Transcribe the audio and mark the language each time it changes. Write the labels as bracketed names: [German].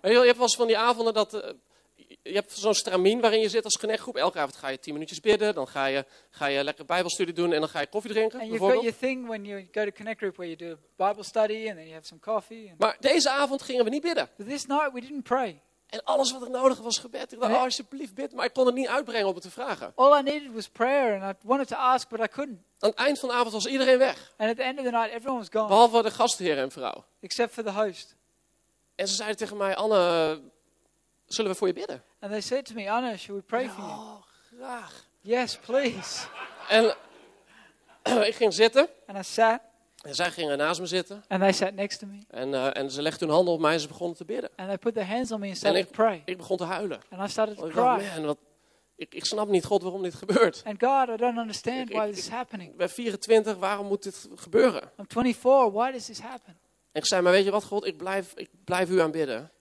[Dutch] Je hebt wel eens van die avonden dat je hebt zo'n stramien waarin je zit als connectgroep. Elke avond ga je 10 minuutjes bidden, dan ga je lekker Bijbelstudie doen en dan ga je koffie drinken. [English] And you've got your thing when you go to connect group where you do a Bible study and then you have some coffee. And... [Dutch] Maar deze avond gingen we niet bidden. [English] But this night we didn't pray. [Dutch] En alles wat er nodig was gebed. Ik dacht: oh, alsjeblieft bid, maar ik kon het niet uitbrengen om het te vragen. [English] All I needed was prayer and I wanted to ask but I couldn't. [Dutch] Aan het eind van de avond was iedereen weg. [English] And at the end of the night, everyone was gone. [Dutch] Behalve de gastheer en vrouw. [English] Except for the host. [Dutch] En ze zeiden tegen mij: Anne, zullen we voor je bidden? [English] And they said to me, Anne, should we pray for you? [Dutch] Oh, graag. [English] Yes, please. [Dutch] En ik ging zitten. [English] And I sat. [Dutch] En zij gingen naast me zitten. [English] And they sat next to me. [Dutch] En ze legden hun handen op mij en ze begonnen te bidden. [English] And they put their hands on me and started to pray. [Dutch] Ik begon te huilen. [English] And I started to cry. [Dutch] Man, wat. Ik snap niet, God, waarom dit gebeurt. [English] And God, I don't understand why this is happening. [Dutch] Ik ben 24, waarom moet dit gebeuren? [English] I'm 24, why does this happen? [Dutch] En ik zei: maar weet je wat, God, ik blijf u aanbidden.